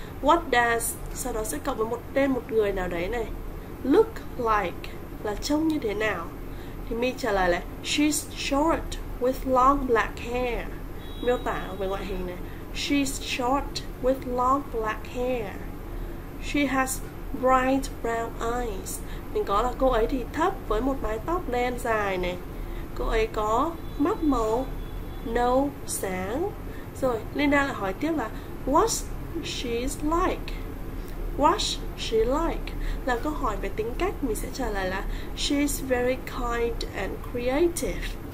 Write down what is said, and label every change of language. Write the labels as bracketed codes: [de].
[en] What does, [vi] sau đó sẽ cộng với một tên một người nào đấy này, [en] look like [vi] là trông như thế nào. Thì Mi trả lời là [en] She's short with long black hair. [vi] Miêu tả về ngoại hình này, [en] She's short with long black hair. She has bright brown eyes. [vi] Mình có là cô ấy thì thấp với một mái tóc đen dài này. Cô ấy có mắt màu nâu sáng. Rồi Linda lại hỏi tiếp là [en] What's she like? What's she like? [vi] Là câu hỏi về tính cách, mình sẽ trả lời là [en] She's very kind and creative.